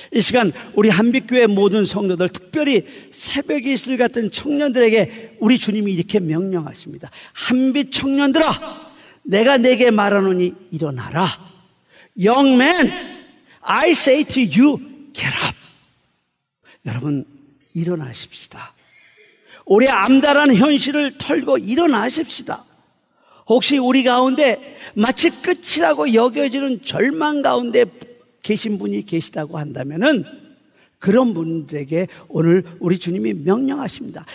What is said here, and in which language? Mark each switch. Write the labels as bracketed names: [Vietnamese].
[Korean] 이 시간 우리 한빛교회 모든 성도들, 특별히 새벽의 이슬 같은 청년들에게 우리 주님이 이렇게 명령하십니다. 한빛 청년들아, 내가 네게 말하노니 일어나라. [English] Young man, I say to you, get up. [Korean] 여러분 일어나십시다. 우리 암담한 현실을 털고 일어나십시다. 혹시 우리 가운데 마치 끝이라고 여겨지는 절망 가운데 계신 분이 계시다고 한다면은 그런 분들에게 오늘 우리 주님이 명령하십니다.